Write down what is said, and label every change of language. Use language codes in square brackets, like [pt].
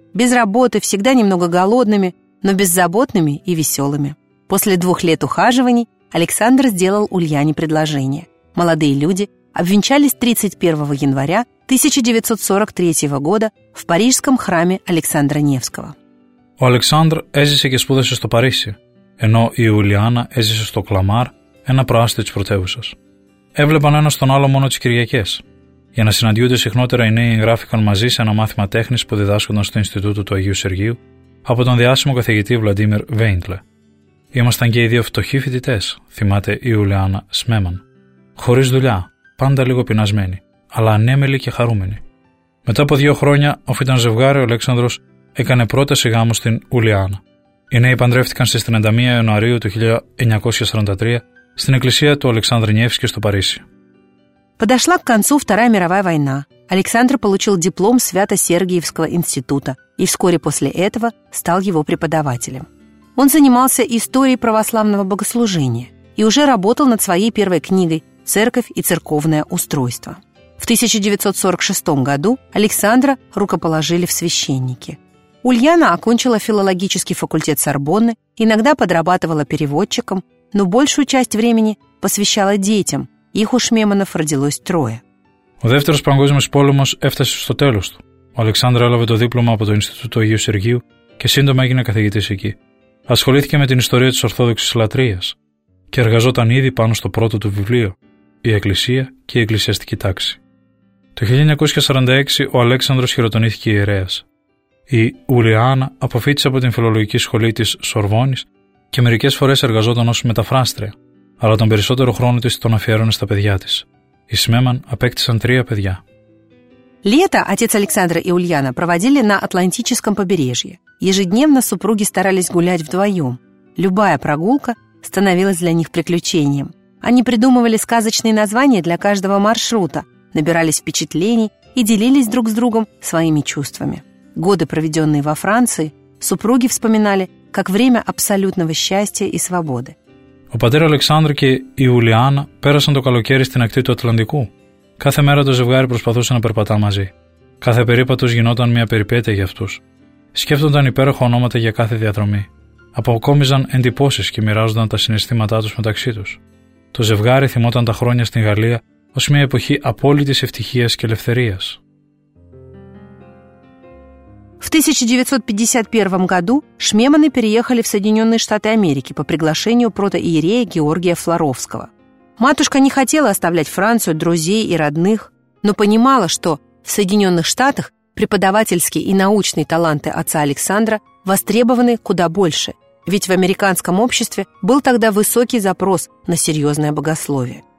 [ru] «Без работы, всегда немного голодными, но беззаботными и веселыми». После 2 лет ухаживаний Александр сделал Ульяне предложение. Молодые люди обвенчались 31 января 1943 года в парижском храме Александра Невского. [el] Ο Αλεξάνδρ έζησε και σπούδασε στο Παρίσι, ενώ η Ιουλιάνα έζησε στο Κλαμάρ, ένα προάστιο της πρωτεύουσας. Έβλεπαν ένας τον άλλο μόνο τις Κυριακές. Για να συναντιούνται συχνότερα, οι νέοι εγγράφηκαν μαζί σε ένα μάθημα τέχνης που διδάσκονταν στο Ινστιτούτο του Αγίου Σεργίου από τον διάσημο καθηγητή Βλαντίμιρ Βέιντλε. Ήμασταν και οι δύο φτωχοί φοιτητές, θυμάται η Ιουλιάνα Σμέμαν. Χωρίς δουλειά, πάντα λίγο πεινασμένοι, αλλά ανέμελοι και χαρούμενοι. Μετά από 2 χρόνια, αφού ήταν ζευγάρι, ο Αλέξανδρος έκανε πρόταση γάμου στην Ουλιάνα. Οι νέοι παντρεύτηκαν στις 31 Ιανουαρίου του 1943 στην εκκλησία του Αλεξάνδρου Νιεύσκη στο Παρίσι. [ru] Подошла к концу Вторая мировая война. Александр получил диплом Свято-Сергиевского института и вскоре после этого стал его преподавателем. Он занимался историей православного богослужения и уже работал над своей первой книгой «Церковь и церковное устройство». В 1946 году Александра рукоположили в священники. Ульяна окончила филологический факультет Сорбонны, иногда подрабатывала переводчиком, но большую часть времени посвящала детям. Их у Шмеманов родилось 3. [el] Ο δεύτερος παγκόσμιος πόλεμος έφτασε στο τέλος του. Ο Αλεξάνδρα έλαβε το δίπλωμα από το Ινστιτούτο Αγίου Σεργίου και σύντομα έγινε καθηγητής εκεί. Ασχολήθηκε με την ιστορία της Ορθόδοξης Λατρείας και εργαζόταν ήδη πάνω στο πρώτο του βιβλίο «Η Εκκλησία και η Εκκλησιαστική Τάξη». Το 1946 ο Αλέξανδρος χειροτονήθηκε ιερέας. Η Ουλιάνα αποφύτησε από την φιλολογική σχολή της Σορβόνης και μερικές φορές εργαζόταν ως μεταφράστρια, αλλά τον περισσότερο χρόνο της τον αφιέρωνε στα παιδιά της. Οι Σμέμαν απέκτησαν 3 παιδιά. [ru] Лето отец Александра и Ульяна проводили на Атлантическом побережье. Ежедневно супруги старались гулять вдвоем. Любая прогулка становилась для них приключением. Они придумывали сказочные названия для каждого маршрута, набирались впечатлений и делились друг с другом своими чувствами. Годы, проведенные во Франции, супруги вспоминали как время абсолютного счастья и свободы. [el] Ο πατέρα Αλεξάνδρου και η Ουλιάνα πέρασαν το καλοκαίρι στην ακτή του Ατλαντικού. Κάθε μέρα το ζευγάρι προσπαθούσε να περπατά μαζί. Κάθε περίπατος γινόταν μια περιπέτεια για αυτούς. Σκέφτονταν υπέροχα ονόματα για κάθε διαδρομή. Αποκόμιζαν εντυπώσεις και μοιράζονταν τα συναισθήματά τους μεταξύ τους. Το ζευγάρι θυμόταν τα χρόνια στην Γαλλία ως μια εποχή απόλυτης ευτυχίας και ελευθερίας. [ru] В 1951 году Шмеманы переехали в Соединенные Штаты Америки по приглашению протоиерея Георгия Флоровского. Матушка не хотела оставлять Францию, друзей и родных, но понимала, что в Соединенных Штатах преподавательские и научные таланты отца Александра востребованы куда больше, ведь в американском обществе был тогда высокий запрос на серьезное богословие.